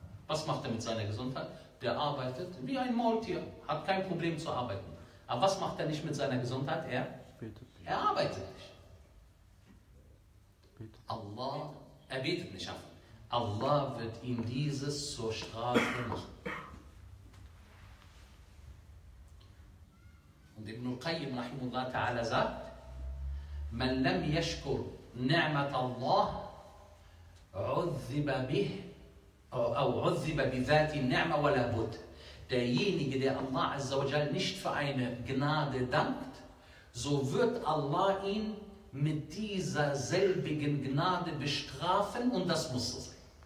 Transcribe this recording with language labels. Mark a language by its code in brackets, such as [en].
[de] Was macht er mit seiner Gesundheit? Der arbeitet wie ein Maultier, hat kein Problem zu arbeiten. Aber was macht er nicht mit seiner Gesundheit? Er arbeitet nicht. Allah, er betet nicht. Allah wird ihm dieses zur Strafe machen. Und Ibn al-Qayyim rahimahullah ta'ala sagt, [ar] man lam yashkur نعمة الله عذب به أو عذب بذات النعمة ولا بد. [de] Derjenige, der Allah Azza wa Jal nicht für eine Gnade dankt, so wird Allah ihn mit dieser selbigen Gnade bestrafen, und das muss so sein.